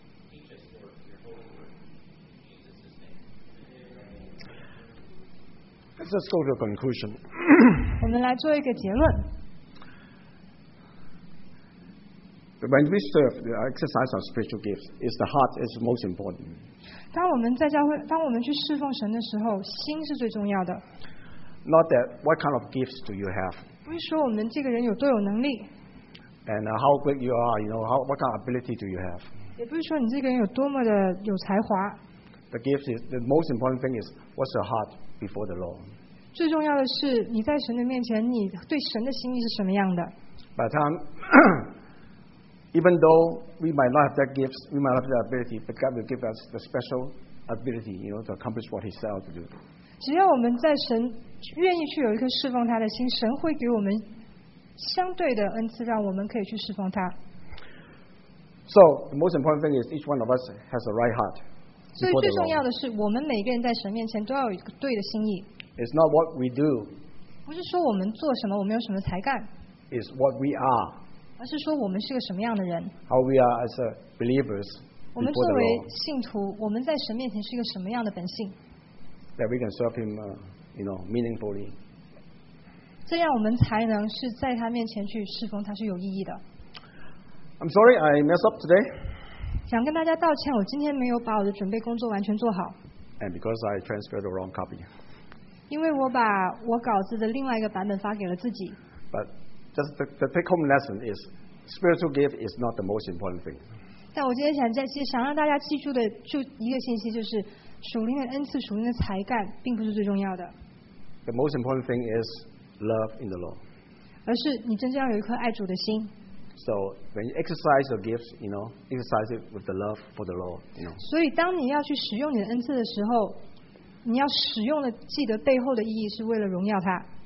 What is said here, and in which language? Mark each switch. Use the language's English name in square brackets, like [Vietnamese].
[English] Teach us, Lord, your holy word. In Jesus' name. Let's just go to a conclusion. [Chinese] 我们来做一个结论。 [English] When we serve, the exercise of spiritual gifts is the heart is most important. [Chinese] 当我们在教会，当我们去侍奉神的时候，心是最重要的。 [English] Not that what kind of gifts do you have? [Chinese] 不是说我们这个人有多有能力。 [English] And how great you are, you know, what kind of ability do you have? [Chinese] 也不是说你这个人有多么的有才华。 [English] The gift is the most important thing is what's your heart before the Lord. [Chinese] 最重要的是你在神的面前，你对神的心意是什么样的。 [English] By the time, even though we might not have that gifts, we might not have that ability, but God will give us the special ability, you know, to accomplish what He set out to do. [Chinese] 只要我们在神愿意去有一颗侍奉他的心，神会给我们相对的恩赐，让我们可以去侍奉他。 [English] So the most important thing is each one of us has a right heart. [Chinese] 所以最重要的是，我们每个人在神面前都要有一个对的心意。 [English] It's not what we do. [Chinese] 不是说我们做什么，我们有什么才干。 [English] It's what we are. [Chinese] 而是说我们是个什么样的人。 [English] How we are as a believers. [Chinese] 我们作为信徒，我们在神面前是一个什么样的本性。 [English] That we can serve him, you know, meaningfully. [Chinese] 这样我们才能是在他面前去侍奉他是有意义的。 [English] I'm sorry, I messed up today. [Chinese] 想跟大家道歉，我今天没有把我的准备工作完全做好。 [English] And because I transferred the wrong copy. [Chinese] 因为我把我稿子的另外一个版本发给了自己。 [English] But. Just the take-home lesson is spiritual gift is not the most important thing. [Chinese] 但我今天想在想让大家记住的就一个信息就是属灵的恩赐、属灵的才干并不是最重要的。 [English] The most important thing is love in the Lord. [Chinese] 而是你真正要有一颗爱主的心。 [English] So when you exercise your gifts, you know, exercise it with the love for the Lord, you know. [Chinese] 所以当你要去使用你的恩赐的时候，你要使用的记得背后的意义是为了荣耀他。